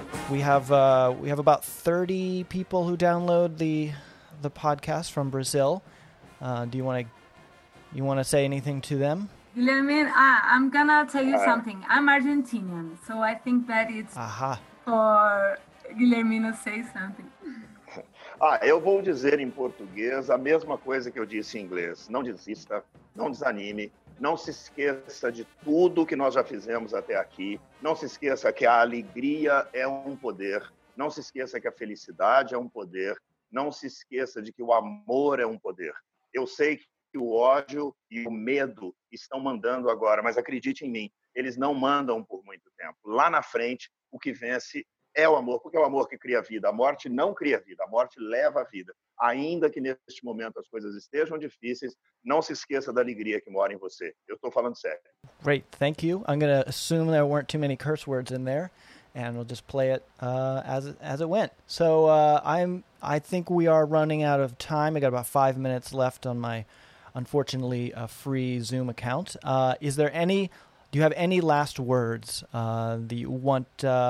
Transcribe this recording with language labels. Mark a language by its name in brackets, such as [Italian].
[English] We have about 30 people who download the podcast from Brazil. Do you want to say anything to them? Guilherme, I'm gonna tell you something. I'm Argentinian, so I think that it's for Guilherme to say something. [Portuguese] Ah, eu vou dizer em português a mesma coisa que eu disse em inglês. Não desista, não desanime. Não se esqueça de tudo que nós já fizemos até aqui. Não se esqueça que a alegria é um poder. Não se esqueça que a felicidade é um poder. Não se esqueça de que o amor é um poder. Eu sei que o ódio e o medo estão mandando agora, mas acredite em mim, eles não mandam por muito tempo. Lá na frente, o que vence é o amor, porque é o amor que cria vida. A morte não cria vida, a morte leva a vida. Ainda que neste momento as coisas estejam difíceis, não se esqueça da alegria que mora em você. Eu estou falando sério. [English] Great, thank you. I'm going to assume there weren't too many curse words in there, and we'll just play it as it went. So I think we are running out of time. I got about 5 minutes left on my, unfortunately, free Zoom account. Do you have any last words that you want?